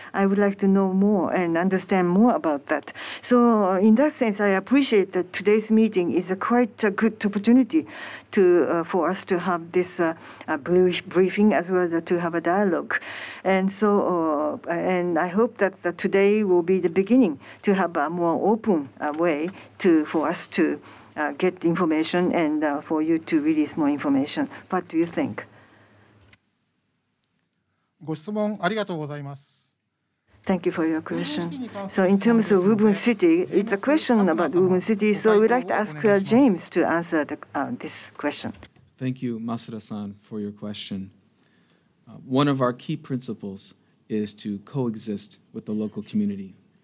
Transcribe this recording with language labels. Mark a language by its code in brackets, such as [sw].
[en] I would like to know more and understand more about that. So in that sense, I appreciate that today's meeting is a quite a good opportunity to, for us to have this bluish briefing as well as to have a dialogue. And so, and I hope that today will be the beginning to have a more open way to, for us to get information and for you to release more information. What do you think? [ja] ご質問ありがとうございます。 [en] Thank you for your question. So in terms of Ruben City, it's a question about Ruben City, so we'd like to ask James to answer the, this question. Thank you, Masuda-san, for your question. One of our key principles is to coexist with the local community.